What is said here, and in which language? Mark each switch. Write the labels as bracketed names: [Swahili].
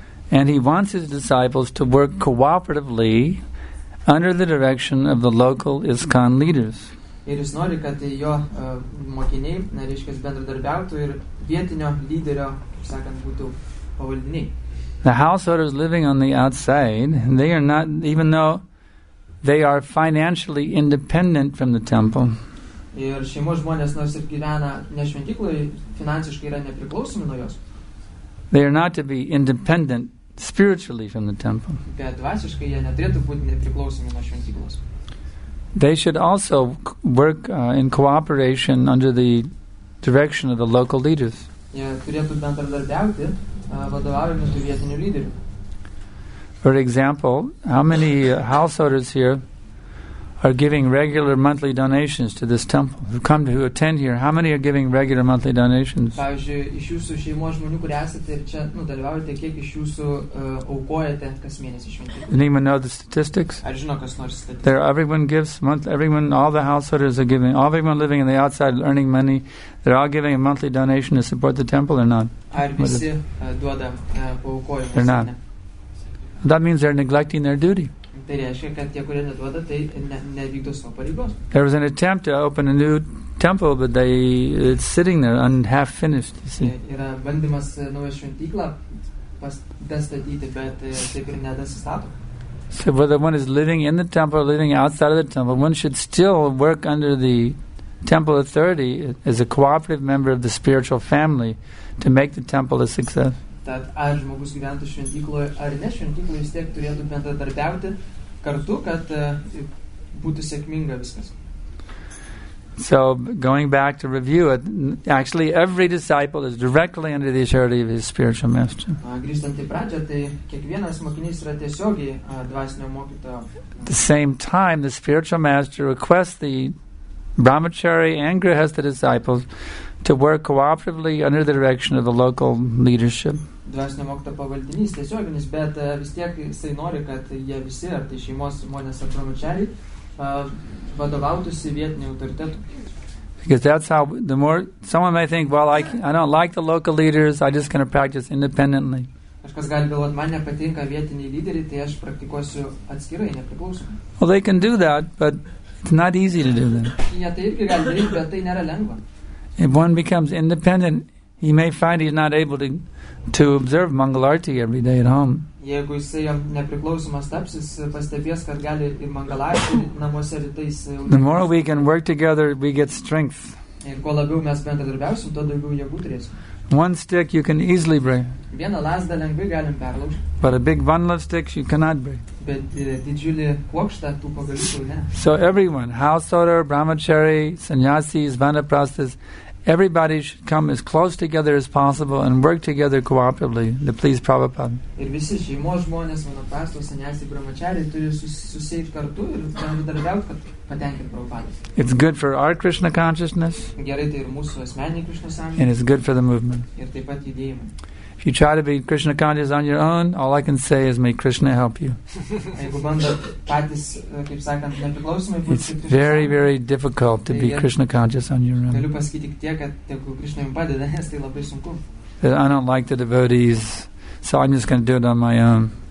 [English] And he wants his disciples to work cooperatively under the direction of the local ISKCON leaders. [Lithuanian] Ir jis nori, kad jo mokiniai, nariškas bendradarbiautų ir vietinio lyderio, kaip sakant, būtų pavaldiniai. [English] The householders living on the outside, they are not, even though they are financially independent from the temple. [Lithuanian] Ir šeimos žmonės, nors ir gyvena nešventykloje, finansiškai yra nepriklausomi nuo jos. [English] They are not to be independent spiritually from the temple. [Lithuanian] Bet dvasiškai jie neturėtų būti nepriklausomi nuo šventyklos. [English] They should also work in cooperation under the direction of the local leaders. [Lithuanian] Jie turėtų bendradarbiauti, vadovaujami tų vietinių lyderių. [English] For example, how many householders here are giving regular monthly donations to this temple? Who come to who attend here? How many are giving regular monthly donations? [Lithuanian] Pavyzdžiui, iš jūsų šeimos žmonių, kurie esate ir čia, nu, dalyvaujate, kiek iš jūsų aukojate kas mėnesį šventyklai? [English] Anyone know the statistics? [Lithuanian] Ar žino kas nors statistiką? [English] There, everyone gives monthly. Everyone, all the householders are giving. All everyone living in the outside, earning money, they're all giving a monthly donation to support the temple or not? [Lithuanian] Ar visi duoda paaukojimus? [English] They're not. That means they're neglecting their duty. [Lithuanian] Tai reiškia, kad tie, kurie neduoda, tai nevykdo savo pareigos. [English] There was an attempt to open a new temple, but it's sitting there and half finished, you see. [Lithuanian] Yra bandymas naują šventyklą pastatyti, bet taip ir nedasistato. [English] So whether one is living in the temple or living outside of the temple, one should still work under the temple authority as a cooperative member of the spiritual family to make the temple a success. [Lithuanian] Tad ar žmogus gyventų šventykloje, ar ne šventykloje, vis tiek turėtų bendradarbiauti kartu, kad būtų sėkminga viskas. [English] So, going back to review it, actually every disciple is directly under the authority of his spiritual master. [Lithuanian] Grįžtant į pradžią, tai kiekvienas mokinys yra tiesiogiai dvasinio mokytojo. [English] At the same time, the spiritual master requests the Brahmachari and Grihastha disciples to work cooperatively under the direction of the local leadership. [Lithuanian] Dvasinio mokyto pavaldinys tiesioginis, bet vis tiek jisai nori, kad jie visi, ar tai šeimos žmonės ar Brahmachari, vadovautųsi vietinių autoritetų. [English] Because that's how the more someone may think, well, I don't like the local leaders, I just gonna practice independently. [Lithuanian] Kažkas gali galvoti, man nepatinka vietiniai lyderiai, tai aš praktikuosiu atskirai, nepriklausomai. [English] Well, they can do that, but it's not easy to do that. [Lithuanian] Jie tai irgi gali daryti, bet tai nėra lengva. [English] If one becomes independent, he may find he's not able to observe Mangalarti every day at home. [Lithuanian] Jeigu jis nepriklausomas taps, jis pastebės, kad gali ir Mangalarti namuose rytais. [English] The more we can work together, we get strength. [Lithuanian] Ir kuo labiau mes bendradarbiausim, tuo daugiau jėgų turėsim. [English] One stick you can easily break. [Lithuanian] Vieną lazdą lengvai galim perlaužti. [English] But a big bundle of sticks you cannot break. [Lithuanian] Bet didžiulį kuokštą tų pagaliukų ne. [English] So everyone, householder, brahmachari, sannyasis, vanaprasthas, everybody should come as close together as possible and work together cooperatively to please Prabhupada. [Lithuanian] Ir visi šeimos žmonės, vanaprasthas, sannyasis, brahmachari turi susėti kartu ir bendradarbiauti, kad patenkintų Prabhupada. [English] It's good for our Krishna consciousness. [Lithuanian] Gerai, tai ir mūsų asmeninį Krishna sąmonę. [English] And it's good for the movement. [Lithuanian] Ir taip pat judėjimą. [English] you try to be Krishna conscious on your own, all I can say is may Krishna help you. It's very, very difficult to be Krishna conscious on your own. I don't like the devotees, so I'm just going to do it on my own.